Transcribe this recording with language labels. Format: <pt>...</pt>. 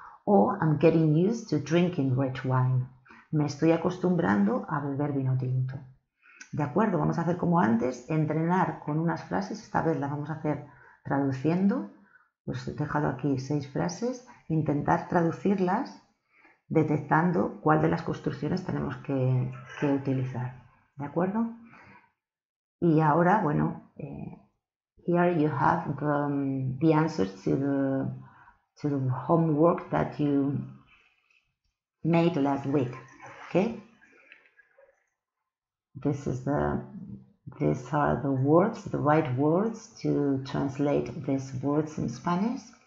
<en>O I'm getting used to drinking red wine.</en> <es>Me estoy acostumbrando a beber vino tinto. De acuerdo, vamos a hacer como antes, entrenar con unas frases. Esta vez las vamos a hacer traduciendo. Os he dejado aquí seis frases. Intentar traducirlas detectando cuál de las construcciones tenemos que utilizar. ¿De acuerdo? Y ahora, bueno,</es> <en>here you have the answers to the homework that you made last week. Okay? These are the words, the right words to translate these words in Spanish.</en>